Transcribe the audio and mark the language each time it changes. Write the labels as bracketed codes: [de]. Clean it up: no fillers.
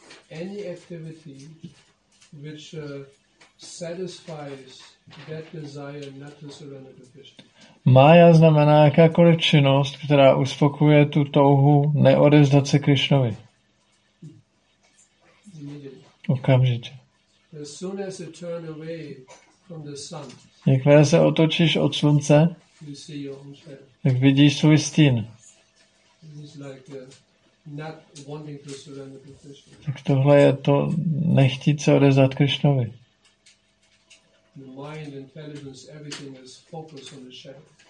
[en] any activity which satisfies that desire not to surrender to Krishna. [cs] Maya znamená jakákoliv činnost, která uspokojuje tu touhu neodevzdat se Krišnovi. Okamžitě. [en] As soon as you turn away from the sun, [cs] jakmile se otočíš od slunce, [en] you see your own shadow. [cs] Tak vidíš svůj stín. [en] It's like not wanting to surrender to Krishna. [cs] Tak tohle je to nechtít se odevzdat Krišnovi. [en] Mind, intelligence, everything is focused on the shadow.